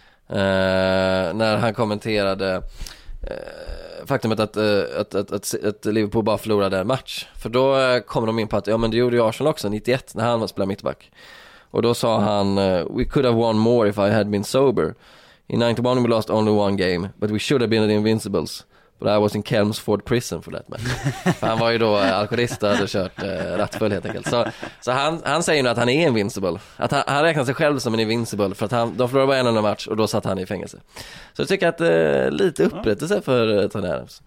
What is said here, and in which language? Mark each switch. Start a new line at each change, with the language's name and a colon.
Swedish: När han kommenterade faktumet att Liverpool bara förlorade en match. För då kommer de in på att ja, men det gjorde ju Arsenal också 91 när han spelade mittback. Och då sa han
English: we could have won more if I had been sober. In 91 we lost only one game, but we should have been the Invincibles. But I was in Chelmsford prison for that match.
Swedish: Han var ju då alkoholist och hade kört rattfull helt enkelt. Så han säger nu att han är invincible. Att han räknar sig själv som en invincible. För att de förlorade bara en enda match och då satt han i fängelse. Så jag tycker att det är lite upprättelse för Tony Adams.